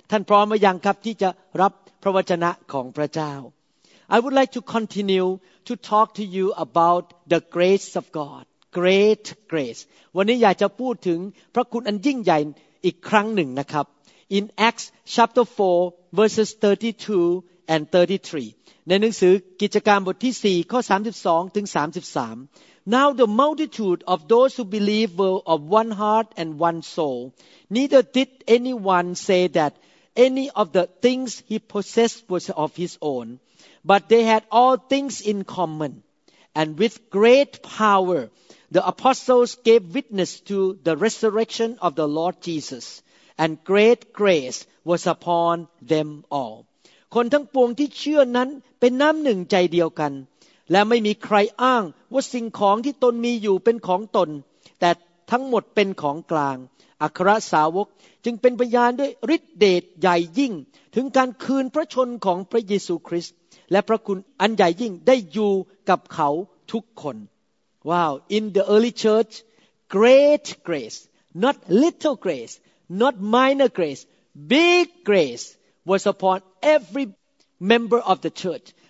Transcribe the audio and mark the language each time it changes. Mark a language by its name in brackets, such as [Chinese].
[Thai] ท่านพร้อมหรือยังครับที่จะรับพระวจนะของพระเจ้า [English] I would like to continue to talk to you about the grace of God. Great grace. [Thai] วันนี้อยากจะพูดถึงพระคุณอันยิ่งใหญ่อีกครั้งหนึ่งนะครับ [English] In Acts chapter 4 verses 32 and 33. [Thai] ในหนังสือกิจการบทที่4ข้อ32ถึง33. [English] Now the multitude of those who believed were of one heart and one soul. Neither did anyone say that any of the things he possessed was of his own. But they had all things in common. And with great power, the apostles gave witness to the resurrection of the Lord Jesus. And great grace was upon them all. [Thai] คนทั้งปวงที่เชื่อนั้นเป็นน้ำหนึ่งใจเดียวกันและไม่มีใครอ้างว่าสิ่งของที่ตนมีอยู่เป็นของตน แต่ทั้งหมดเป็นของกลางอัครสาวกจึงเป็นพยานด้วยฤทธิเดชใหญ่ยิ่งถึงการคืนพระชนของพระเยซูคริสต์และพระคุณอันใหญ่ยิ่งได้อยู่กับเขาทุกคน [English] Wow, in the early church, great grace, not little grace, not minor grace, big grace was upon every member of the church.